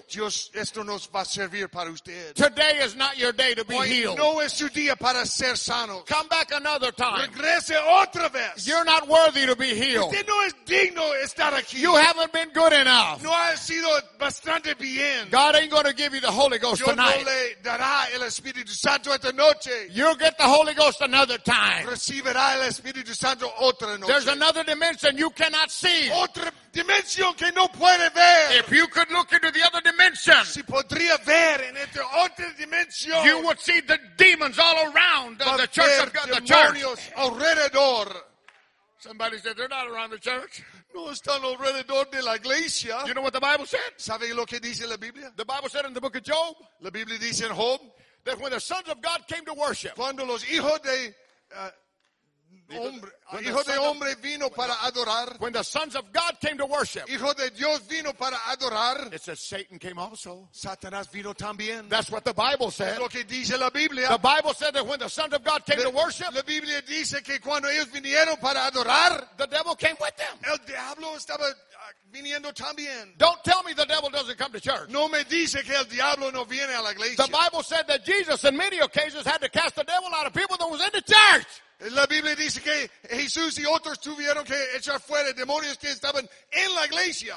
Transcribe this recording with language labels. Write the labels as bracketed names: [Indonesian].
[Spanish] Dios, esto no va a servir para usted. [English] Today is not your day to be [Spanish] Hoy [English] healed. [Spanish] No es su día para ser sano. [English] Come back another time. [Spanish] Regrese otra vez. [English] You're not worthy to be healed. [Spanish] Usted no es digno estar aquí. [English] You haven't been good enough. [Spanish] No ha sido bastante bien. [English] God ain't going to give you the Holy Ghost [Spanish] Dios [English] tonight. [Spanish] No le dará el Espíritu Santo esta noche. [English] You'll get the Holy Ghost another time. [Spanish] Recibirá el Espíritu Santo. [English] There's another dimension you cannot see. [Spanish] Otra dimensión que no puede ver. [English] If you could look into the other dimension, [Spanish] si podría ver en esta otra dimensión, [English] you would see the demons all around the church of God. The church [Spanish] alrededor. [English] Somebody said they're not around the church. [Spanish] No están alrededor de la iglesia. [English] You know what the Bible said? [Spanish] ¿Sabe lo que dice la Biblia? [English] The Bible said in the book of Job. [Spanish] La Biblia dice en Job [English] that when the sons of God came to worship, [Spanish] cuando los hijos de Hijo de hombre vino para adorar. [English] When the sons of God came to worship. [Spanish] Hijo de Dios vino para adorar. [English] It says Satan came also. [Spanish] Satanás vino también. [English] That's what the Bible said. [Spanish] Es lo que dice la Biblia. [English] The Bible said that when the sons of God came to worship. [Spanish] La Biblia dice que cuando ellos vinieron para adorar. [English] The devil came with them. [Spanish] El diablo estaba viniendo también. [English] Don't tell me the devil doesn't come to church. [Spanish] No me dice que el diablo no viene a la iglesia. [English] The Bible said that Jesus in many occasions had to cast the devil out of people that was in the church. [Spanish] La Biblia dice que Jesús y otros tuvieron que echar fuera demonios que estaban en la iglesia.